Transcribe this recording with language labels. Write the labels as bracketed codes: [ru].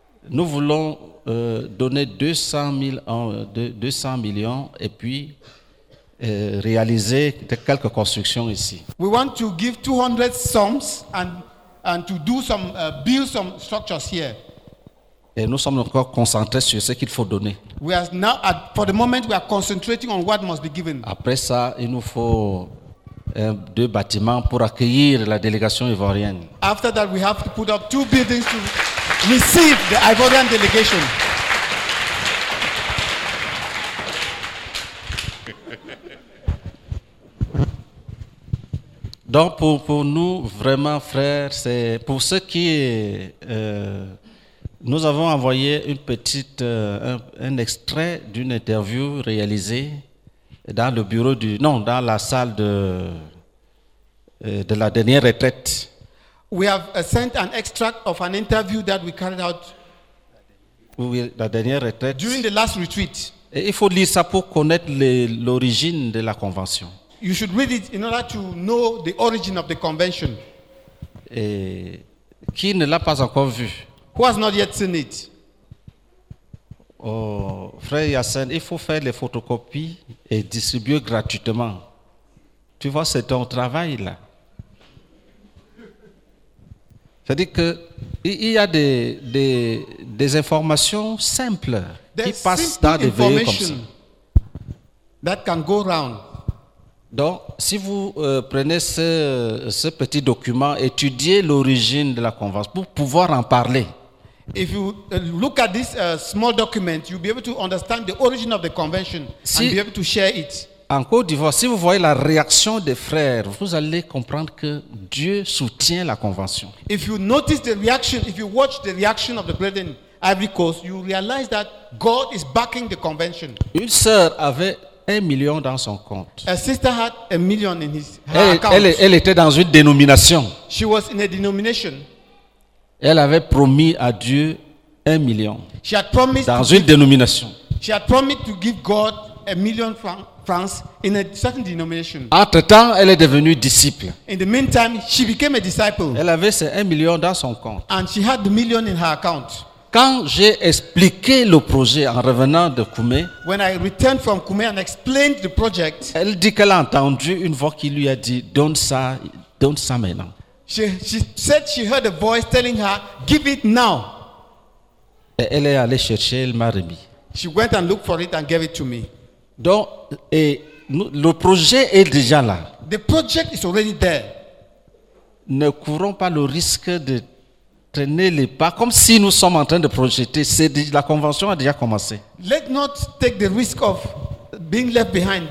[fr] nous voulons donner 200 millions et puis réaliser quelques constructions ici. [en] We want to give 200 sums and to do some build some structures here. [fr] Et nous sommes encore concentrés sur ce qu'il faut donner. [en] We are now for the moment we are concentrating on what must be given. [fr] Après ça, il nous faut deux bâtiments pour accueillir la délégation ivoirienne. [en] After that we have to put up two buildings to receive the Ivorian delegation. [fr] Donc pour nous vraiment frères, c'est pour ceux qui nous avons envoyé une petite un extrait d'une interview réalisée dans le bureau du non dans la salle de la dernière retraite. [en] We have sent an extract of an interview that we carried out [fr] la dernière retraite [en] during the last retreat. [fr] Et il faut lire ça pour connaître l'origine de la convention. [en] You should read it in order to know the origin of the convention. [fr] Et qui ne l'a pas encore vu? [en] Who has not yet seen it? [fr] Oh, frère Yassine, il faut faire les photocopies et distribuer gratuitement. Tu vois, c'est ton travail là. C'est-à-dire qu'il y a des informations simples qui passent dans des veillées comme ça. [en] That can go round. [fr] Donc, si vous prenez ce petit document, étudiez l'origine de la convention pour pouvoir en parler. [en] If you look at this small document, you'll be able to understand the origin of the convention [fr] si [en] and be able to share it. [fr] En Côte d'Ivoire, si vous voyez la réaction des frères, vous allez comprendre que Dieu soutient la convention. [en] If you notice the reaction, if you watch the reaction of the brethren Ivory Coast, you realize that God is backing the convention. [fr] Une sœur avait 1 million dans son compte. [en] A sister had 1 million in his [fr] account. Elle était dans une dénomination. [en] She was in a denomination. [fr] Elle avait promis à Dieu 1 million. [en] She had promised [fr] dans une dénomination. [en] She had promised to give God 1 million francs. France in a certain denomination. [fr] Entre-temps, elle est devenue disciple. [en] In the meantime, she became a disciple. [fr] Elle avait ses 1 million dans son compte. [en] And she had the million in her account. [fr] Quand j'ai expliqué le projet en revenant de Koumé, [en] when I returned from Koumé and explained the project, [fr] elle dit qu'elle a entendu une voix qui lui a dit donne ça maintenant. [en] She said she heard a voice telling her give it now. [fr] Et elle est allée chercher, elle m'a remis. [en] She went and looked for it and gave it to me. [fr] Donc, et le projet est déjà là. [en] The project is already there. [fr] Ne courons pas le risque de traîner les pas, comme si nous sommes en train de projeter. La convention a déjà commencé. [en] Let not take the risk of being left behind.